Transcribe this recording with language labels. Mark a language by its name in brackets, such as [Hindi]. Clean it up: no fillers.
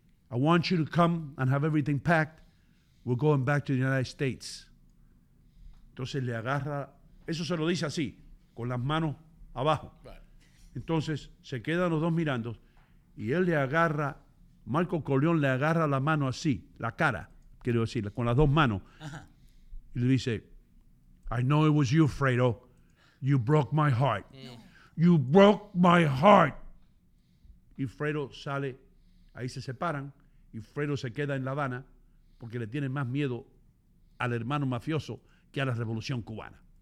[English] I want you to come and have everything packed. We're going back to the United States. [Spanish] Entonces le agarra. Eso se lo dice así, con las manos abajo. Entonces, se quedan los dos mirando y él le agarra, Marco Corleone le agarra la mano así, la cara, quiero decir, con las dos manos. Y le dice, [English] I know it was you, Fredo. You broke my heart. You broke my heart. [Spanish] Y Fredo sale, ahí se separan y Fredo se queda en La Habana porque le tiene más miedo al hermano mafioso que a la Revolución Cubana.